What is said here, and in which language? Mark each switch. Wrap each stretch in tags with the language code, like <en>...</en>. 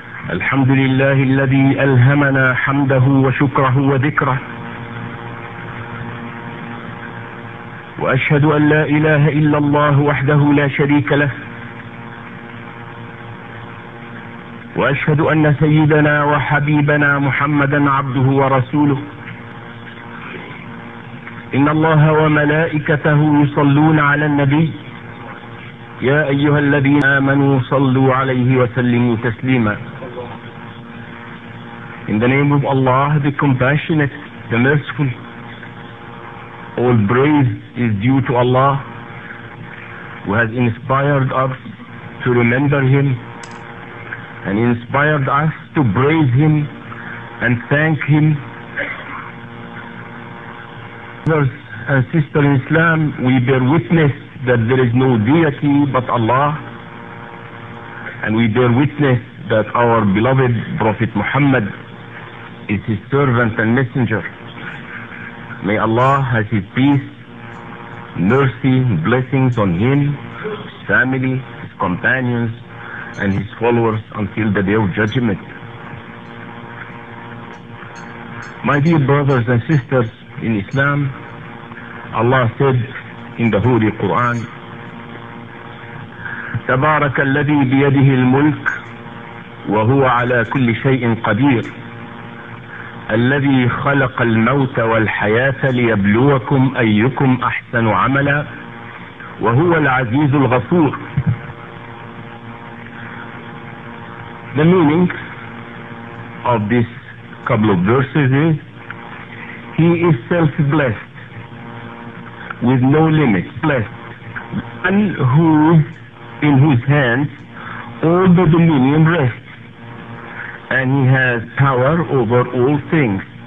<ar>الحمد لله الذي الهمنا حمده وشكره وذكره، واشهد ان لا اله الا الله وحده لا شريك له، واشهد ان سيدنا وحبيبنا محمدا عبده ورسوله. ان الله وملائكته يصلون على النبي، يا ايها الذين امنوا صلوا عليه وسلموا تسليما.</ar> <en>In the name of Allah, the compassionate, the merciful, all praise is due to Allah who has inspired us to remember him and inspired us to praise him and thank him. Brothers and sisters in Islam, we bear witness that there is no deity but Allah, and we bear witness that our beloved Prophet Muhammad is his servant and messenger. May Allah have his peace, mercy, blessings on him, his family, his companions, and his followers until the day of judgment. My dear brothers and sisters in Islam, Allah said in the Holy Quran,</en> <ar>تبارك الذي بيده الملك وهو على كل شيء قدير الذي خلق الموت والحياة ليبلوكم أيكم أحسن عملا وهو العزيز الغفور.</ar> <en>The meaning of this couple of verses is, he is self-blessed with no limit, blessed, and who in whose hands all the dominion rests, and he has power over all things.</en>